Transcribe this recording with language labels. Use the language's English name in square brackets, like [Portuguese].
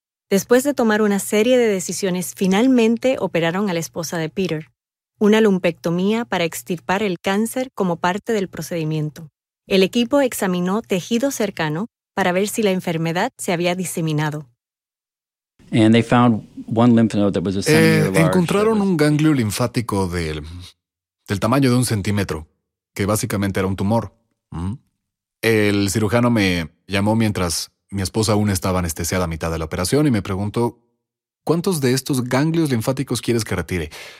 [Spanish] Después de tomar una serie de decisiones, finalmente operaron a la esposa de Peter, una lumpectomía para extirpar el cáncer como parte del procedimiento. El equipo examinó tejido cercano para ver si la enfermedad se había diseminado. [English] And they found one lymph node that was a centimeter large. [Spanish] Encontraron un ganglio linfático del tamaño de un centímetro, que básicamente era un tumor. El cirujano me llamó mientras mi esposa aún estaba anestesiada a mitad de la operación y me preguntó, ¿cuántos de estos ganglios linfáticos quieres que retire?